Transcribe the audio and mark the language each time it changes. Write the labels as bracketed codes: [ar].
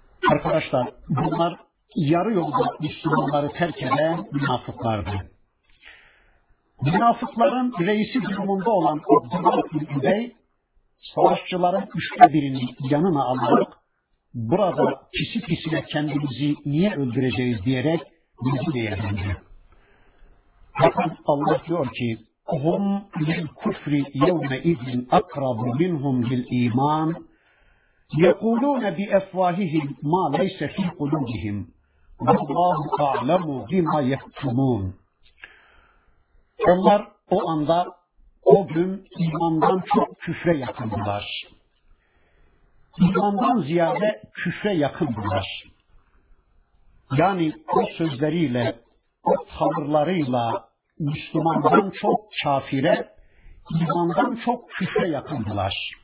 [tr] Arkadaşlar, bunlar yarı yolda Müslümanları terk eden münafıklardı. Münafıkların reisi durumunda olan Abdullah bin Übey, savaşçıların üçte birini yanına alarak, burada pisi pisine kendimizi niye öldüreceğiz diyerek bizi değerlendirdi. Bakın Allah diyor ki, [ar] هُمْ لِلْكُفْرِ يَوْمَئِذٍ اَقْرَبُ مِنْهُمْ لِلْا۪يمَانِ يَقُولُونَ بِأَفْوَاهِهِمْ مَا لَيْسَ فِي قُلُوبِهِمْ وَاللّٰهُ أَعْلَمُ بِمَا يَكْتُمُونَ [tr] Onlar o anda, o gün imandan çok küfre yakındılar. İmandan ziyade küfre yakındılar. Yani o sözleriyle, o tavırlarıyla Müslümandan çok kafire, imandan çok küfre yakındılar.